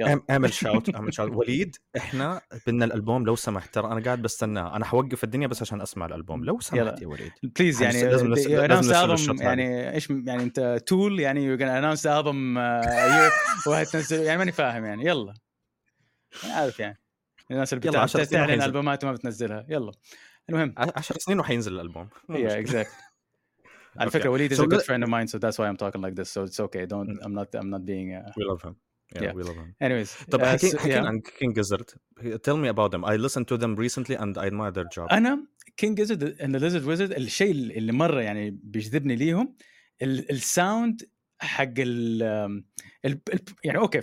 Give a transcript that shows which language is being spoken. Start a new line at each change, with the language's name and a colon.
Arabic: أعمل شاوت وليد إحنا بدنا الألبوم لو سمحت ترى أنا قاعد بستناه أنا حوقف الدنيا بس عشان أسمع الألبوم لو سمحت يا وليد بليز يعني لازم نسلم يعني إيش يعني أنت تول يعني
English: you're gonna announce the album
Arabic: وهتنزل يعني ماني فاهم يعني يلا عارف يعني الناس اللي بتعلن ألبومات وما بتنزلها يلا المهم 10 سنين وحينزل الألبوم
English: yeah exactly
Arabic: على
English: okay.
Arabic: فكرة
English: وليد is so a good friend of mine, so that's why I'm talking like this. So it's okay. Don't I'm not being. We love him. Yeah, we love him. Anyways,
Arabic: طب حكينا عن King Gizzard.
English: Tell me about them. I listened to them recently and I admire their job.
Arabic: أنا King Gizzard and the Lizard Wizard. الشيء اللي مرة يعني بيجذبني ليهم ال sound حق ال يعني okay.